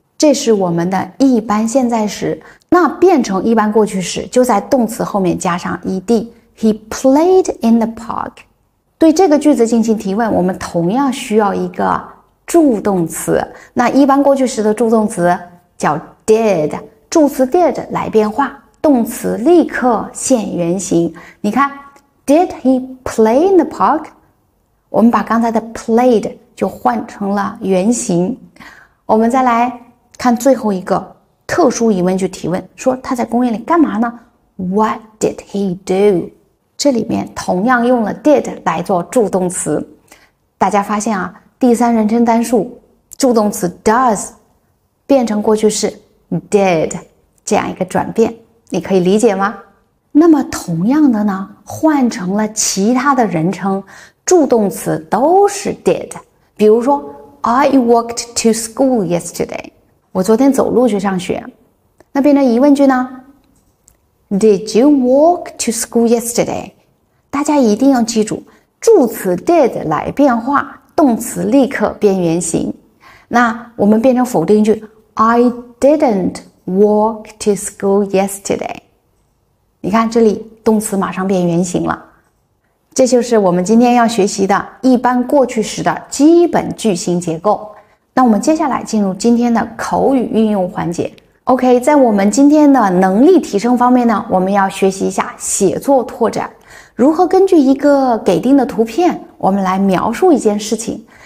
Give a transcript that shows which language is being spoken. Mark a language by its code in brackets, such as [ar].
[zh] 这是我们的一般现在时，那变成一般过去时就在动词后面加上 ed。 [en] He played in the park。 [zh] 对这个句子进行提问，我们同样需要一个助动词，那一般过去时的助动词叫 did， 助词 did 来变化，动词立刻现原形。你看 [en] Did he play in the park？ [zh] 我们把刚才的 played 就换成了原形。我们再来看最后一个特殊疑问句提问，说他在公园里干嘛呢？ [en] What did he do？ [zh] 这里面同样用了 did 来做助动词。大家发现啊，第三人称单数助动词 does 变成过去式 did， 这样一个转变你可以理解吗？那么同样的呢，换成了其他的人称助动词都是 did， 比如说 [en] I walked to school yesterday， [zh] 我昨天走路去上学。那变成疑问句呢， [en] Did you walk to school yesterday？ [zh] 大家一定要记住，助词 did 来变化，动词立刻变原形。那我们变成否定句， [en] I didn't walk to school yesterday。 [zh] 你看这里动词马上变原形了。这就是我们今天要学习的一般过去时的基本句型结构。那我们接下来进入今天的口语运用环节。OK， 在我们今天的能力提升方面呢，我们要学习一下写作拓展，如何根据一个给定的图片我们来描述一件事情。